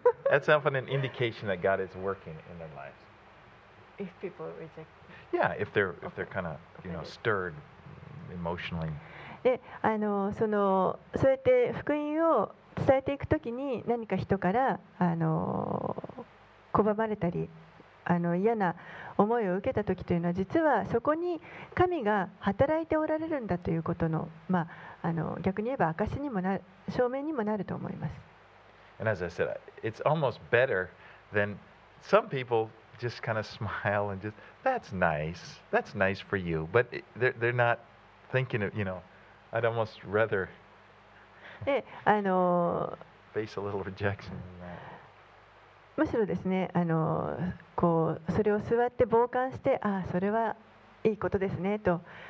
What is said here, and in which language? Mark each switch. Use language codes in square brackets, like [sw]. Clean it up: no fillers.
[en] That's often an indication that God is working in their lives. If people reject. Yeah, if they're kind of, stirred emotionally. [ja] そうやって福音を伝えていくときに、何か人から拒まれたり嫌な思いを受けたときというのは、実はそこに神が働いておられるんだということの、逆に言えば証しにもなる、証明にもなると思います。 [en] And as I said, it's almost better than some people just kind of smile and just, that's nice for you, but they're not thinking of, I'd almost rather face a little rejection. [ja] むしろですね、こうそれを座って傍観して、ああそれはいいことですねと、